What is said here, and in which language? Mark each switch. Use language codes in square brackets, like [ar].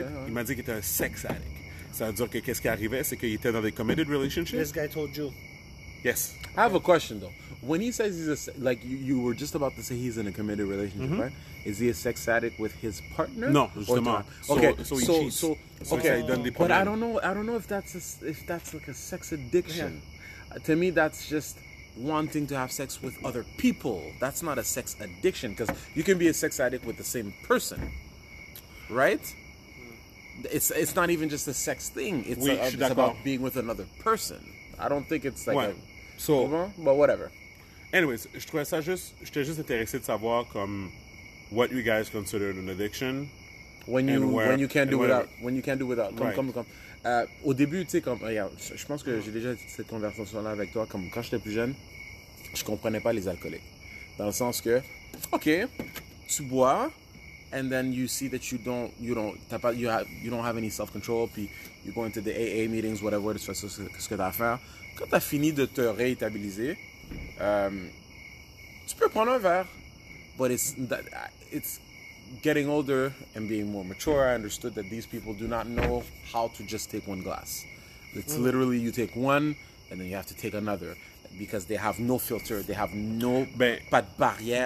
[fr] Yeah, il m'a dit qu'il était un sex addict. Ça veut dire que qu'est-ce qui arrivait, c'est qu'il était dans des [en] committed relationships. This guy told you. Yes. I have a question, though. When he says he's a... Like, you were just about to say he's in a committed relationship, mm-hmm. right? Is he a sex addict with his partner? [fr] Non, justement. [en] So he cheats. But I don't know if that's like a sex addiction. Yeah. To me, that's just... wanting to have sex with other people. That's not a sex addiction, because you can be a sex addict with the same person, right? It's not even just a sex thing. It's about being with another person. I don't think it's like but whatever. [fr] Anyways, je trouvais ça juste, j'étais juste intéressé de savoir comme [en] what you guys consider an addiction. When you can't do without. Come. [fr] Au début, tu sais, comme, regarde, je pense que j'ai déjà cette conversation-là avec toi. Comme quand j'étais plus jeune, je comprenais pas les alcooliques. Dans le sens que, OK, tu bois, [en] and then you see that you don't have any self-control, puis you go into the AA meetings, whatever, [fr] tu fais ça, ce que tu as à faire. Quand tu as fini de te réétabiliser, tu peux prendre un verre. [en] But it's getting older and being more mature, I understood that these people do not know how to just take one glass. It's literally you take one and then you have to take another because they have no filter, they have no [fr] pas de barrière,